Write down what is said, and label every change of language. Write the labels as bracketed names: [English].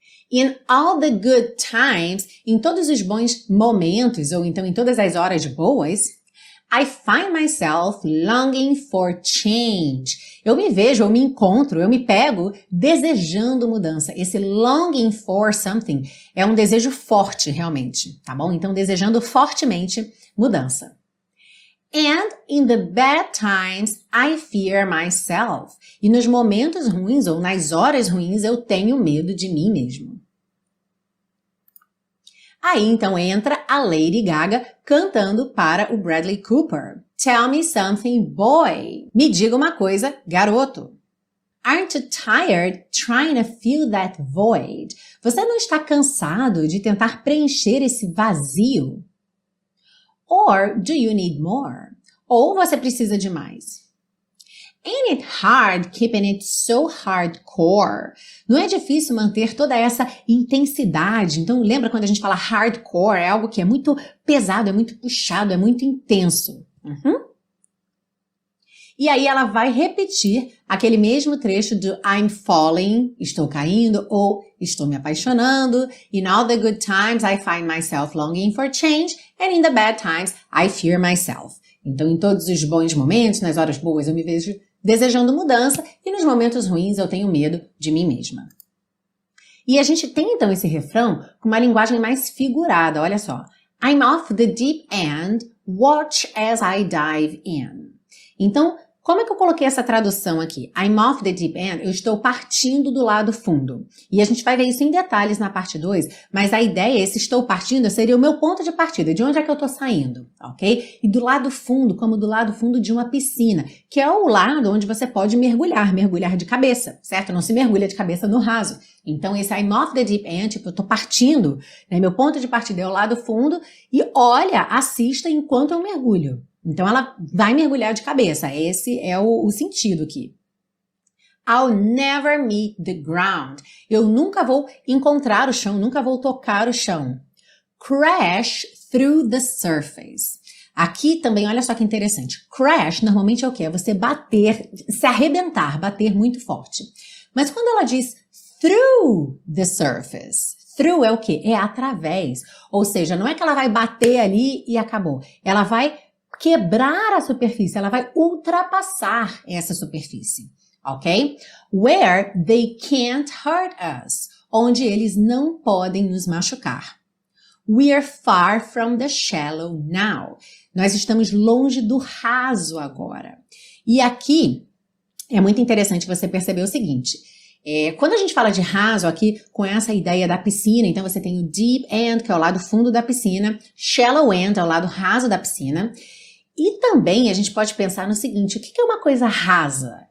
[English] In all the good times, [Portuguese] em todos os bons momentos, ou então em todas as horas boas, [English] I find myself longing for change. [Portuguese] Eu me vejo, eu me encontro, eu me pego desejando mudança. Esse [English] longing for something [Portuguese] é um desejo forte, realmente, tá bom? Então, desejando fortemente mudança. [English] And in the bad times, I fear myself. [Portuguese] E nos momentos ruins, ou nas horas ruins, eu tenho medo de mim mesmo. Aí então entra a Lady Gaga cantando para o Bradley Cooper. [English] Tell me something, boy. [Portuguese] Me diga uma coisa, garoto. [English] Aren't you tired trying to fill that void? [Portuguese] Você não está cansado de tentar preencher esse vazio? [English] Or do you need more? [Portuguese] Ou você precisa de mais? [English] Ain't it hard keeping it so hardcore? [Portuguese] Não é difícil manter toda essa intensidade? Então, lembra quando a gente fala hardcore? É algo que é muito pesado, é muito puxado, é muito intenso. E aí ela vai repetir aquele mesmo trecho do [English] I'm falling, [Portuguese] estou caindo, ou estou me apaixonando. [English] In all the good times, I find myself longing for change. And in the bad times, I fear myself. [Portuguese] Então, em todos os bons momentos, nas horas boas, eu me vejo desejando mudança. E nos momentos ruins, eu tenho medo de mim mesma. E a gente tem, então, esse refrão com uma linguagem mais figurada. Olha só. [English] I'm off the deep end, watch as I dive in. [Portuguese] Então, como é que eu coloquei essa tradução aqui? [English] I'm off the deep end, [Portuguese] eu estou partindo do lado fundo. E a gente vai ver isso em detalhes na parte 2, mas a ideia, esse estou partindo, seria o meu ponto de partida, de onde é que eu estou saindo, ok? E do lado fundo, como do lado fundo de uma piscina, que é o lado onde você pode mergulhar de cabeça, certo? Não se mergulha de cabeça no raso. Então, esse [English] I'm off the deep end, [Portuguese] tipo, eu estou partindo, né? Meu ponto de partida é o lado fundo, e olha, assista enquanto eu mergulho. Então, ela vai mergulhar de cabeça. Esse é o sentido aqui. [English] I'll never meet the ground. [Portuguese] Eu nunca vou encontrar o chão, nunca vou tocar o chão. [English] Crash through the surface. [Portuguese] Aqui também, olha só que interessante. Crash, normalmente, é o quê? É você bater, se arrebentar, bater muito forte. Mas quando ela diz [English] through the surface... [Portuguese] Through é o quê? É através. Ou seja, não é que ela vai bater ali e acabou. Ela vai quebrar a superfície. Ela vai ultrapassar essa superfície. Ok? [English] Where they can't hurt us. [Portuguese] Onde eles não podem nos machucar. [English] We are far from the shallow now. [Portuguese] Nós estamos longe do raso agora. E aqui é muito interessante você perceber o seguinte... quando a gente fala de raso aqui, com essa ideia da piscina, então você tem o deep end, que é o lado fundo da piscina, shallow end, é o lado raso da piscina, e também a gente pode pensar no seguinte, o que é uma coisa rasa?